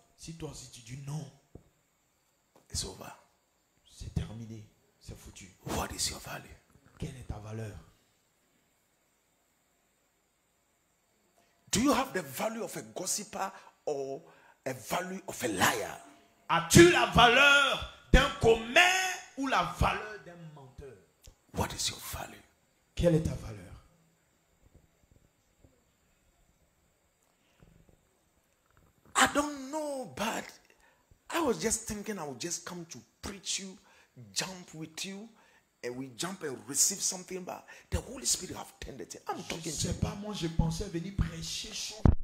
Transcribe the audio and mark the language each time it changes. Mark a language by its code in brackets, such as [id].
[fr] Si toi aussi tu dis non, [en] it's over. [fr] C'est terminé. C'est foutu. [en] What is your value? [fr] Quelle est ta valeur? [en] Do you have the value of a gossiper or a value of a liar? [fr] As-tu la valeur d'un commère ou la valeur d'un menteur? [en] What is your value? [fr] Quelle est ta valeur? [en] I don't know, but I was just thinking I would just come to preach you, jump with you, and we jump and receive something, but the Holy Spirit have tended to. I'm talking to you. [fr] Je sais pas, moi je pensais venir prêcher sur.